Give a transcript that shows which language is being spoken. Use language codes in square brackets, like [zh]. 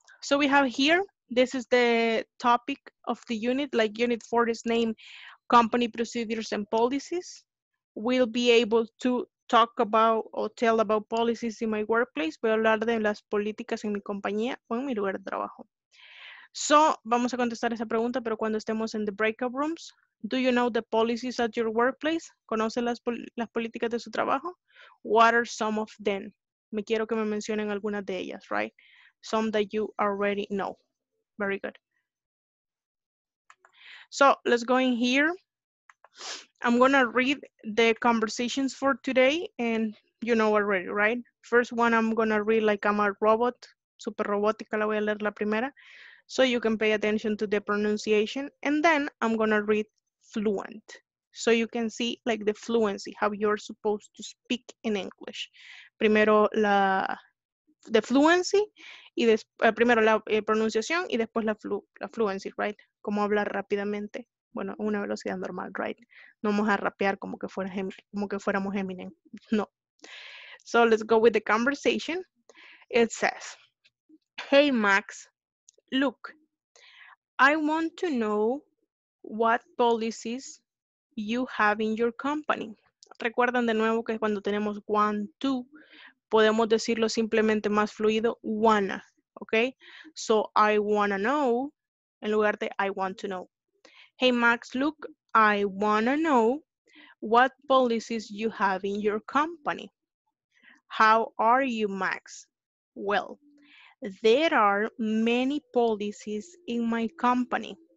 [en] So we have here, this is the topic of the unit, like unit 4 is named Company Procedures and Policies. We'll be able to talk about or tell about policies in my workplace. [es] Voy a hablar de las políticas en mi compañía o en mi lugar de trabajo. [en] So, [es] vamos a contestar esa pregunta, pero cuando estemos en [en] the breakout rooms, do you know the policies at your workplace? [es] ¿Conoce las políticas de su trabajo? [en] What are some of them? [es] Me quiero que me mencionen algunas de ellas, right? [en] Some that you already know. Very good. So, let's go in here. I'm going to read the conversations for today, and you know already, right? First one, I'm going to read like I'm a robot, super robótica, [es] la voy a leer la primera. [en] So you can pay attention to the pronunciation. And then I'm gonna read fluent. So you can see like the fluency, how you're supposed to speak in English. [es] Primero la, the fluency, y des, primero la pronunciación y después la, la fluency, right? Como hablar rápidamente. Bueno, una velocidad normal, right? No vamos a rapear como que, fuera, como que fuéramos Eminem, no. [en] So let's go with the conversation. It says, hey Max. Look, I want to know what policies you have in your company. [es] Recuerden de nuevo que cuando tenemos one, two, podemos decirlo simplemente más fluido, wanna, okay? [en] So I wanna know, [es] en lugar de [en] I want to know. Hey Max, look, I wanna know what policies you have in your company. How are you, Max? Well, there are many policies in my company.